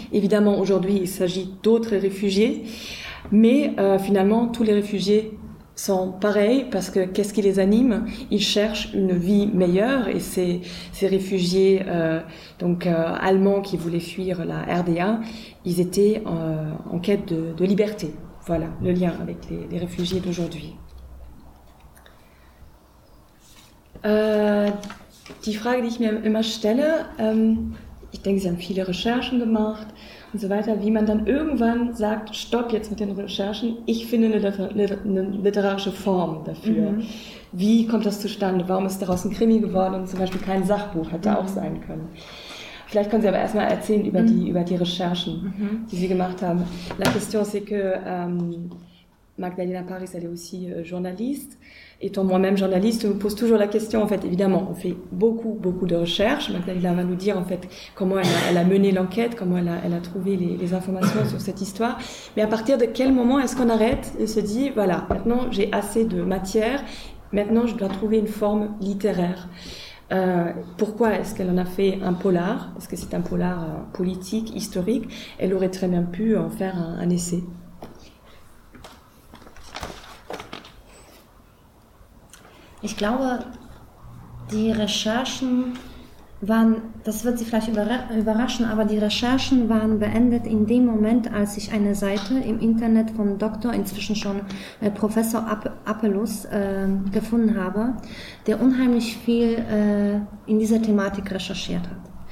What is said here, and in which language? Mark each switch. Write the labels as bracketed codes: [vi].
[fr] Évidemment, aujourd'hui, il s'agit d'autres réfugiés. Mais finalement, tous les réfugiés sont pareils, parce que qu'est-ce qui les anime? Ils cherchent une vie meilleure, et ces réfugiés allemands qui voulaient fuir la RDA, ils étaient en quête de liberté. Voilà le lien avec les réfugiés d'aujourd'hui. [de] Die Frage, die ich mir immer stelle, ich denke, Sie haben viele Recherchen gemacht, und so weiter, wie man dann irgendwann sagt, stopp jetzt mit den Recherchen, ich finde eine literarische Form dafür. Mhm. Wie kommt das zustande? Warum ist daraus ein Krimi geworden und zum Beispiel kein Sachbuch? Hätte auch sein können. Vielleicht können Sie aber erstmal erzählen über die Recherchen, die Sie gemacht haben. [fr] La question, c'est que Magdalena Paris, elle est aussi journaliste. Étant moi-même journaliste, je me pose toujours la question, en fait, évidemment, on fait beaucoup, beaucoup de recherches. Maintenant, elle va nous dire, en fait, comment elle a mené l'enquête, comment elle a trouvé les informations sur cette histoire. Mais à partir de quel moment est-ce qu'on arrête et se dit, voilà, maintenant, j'ai assez de matière, maintenant, je dois trouver une forme littéraire. Pourquoi est-ce qu'elle en a fait un polar? Parce que c'est un polar politique, historique. Elle aurait très bien pu en faire un essai. [de] Ich glaube, die Recherchen waren, das wird Sie vielleicht überraschen, aber die Recherchen waren beendet in dem Moment, als ich eine Seite im Internet von Dr., inzwischen schon Professor Apelus, gefunden habe, der unheimlich viel in dieser Thematik recherchiert hat.